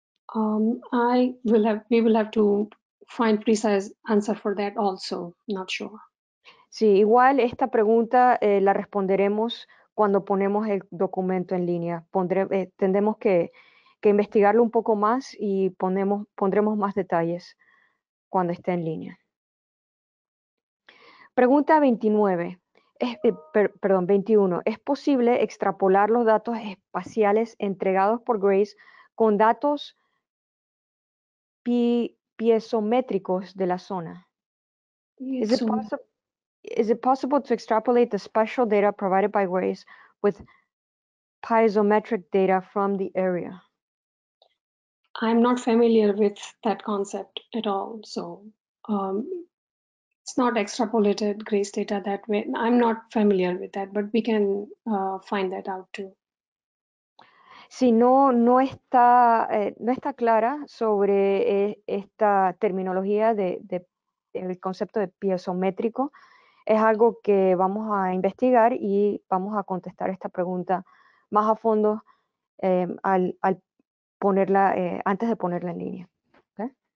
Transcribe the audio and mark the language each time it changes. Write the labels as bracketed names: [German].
[English] We will have to find precise answer for that also, not sure. [Spanish] Sí, igual esta pregunta la responderemos cuando ponemos el documento en línea. Tendremos que investigarlo un poco más y pondremos más detalles cuando esté en línea. Pregunta 29, 21. ¿Es posible extrapolar los datos espaciales entregados por GRACE con datos piezométricos de la zona? [English] Is it possible to extrapolate the spatial data provided by GRACE with piezometric data from the area? I'm not familiar with that concept at all, so it's not extrapolated GRACE data that way. I'm not familiar with that, but we can find that out too. [Spanish] Sí, no está clara sobre esta terminología del concepto de piezométrico. Es algo que vamos a investigar y vamos a contestar esta pregunta más a fondo al ponerla antes de ponerla en línea. ¿Okay?